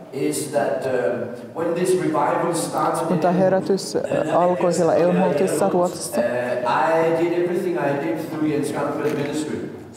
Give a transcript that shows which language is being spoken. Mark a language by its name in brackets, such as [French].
[English] is that when this revival starts, [Finnish] kun tämä herätys alkoi siellä Älmhultissa Ruotsissa, [English] I did everything I did through the Scanfield ministry.